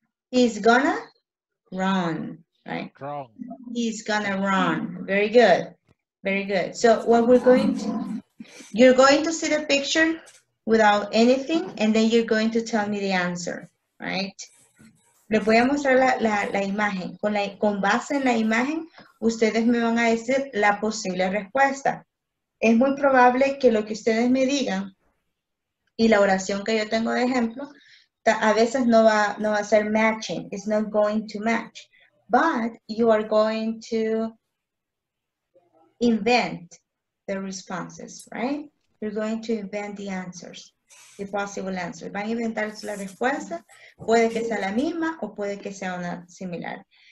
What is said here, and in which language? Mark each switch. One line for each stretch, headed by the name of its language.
English: He's gonna run, right? He's gonna run. Very good. Very good. So what we're going to, you're going to see the picture without anything, and then you're going to tell me the answer, right?
Spanish: Les voy a mostrar la imagen. Con base en la imagen, ustedes me van a decir la posible respuesta. Es muy probable que lo que ustedes me digan y la oración que yo tengo de ejemplo, a veces no va a ser matching.
English: It's not going to match. But you are going to invent the responses, right? You're going to invent the answers, the possible answers.
Spanish: Van a inventar la respuesta. Puede que sea la misma o puede que sea una similar.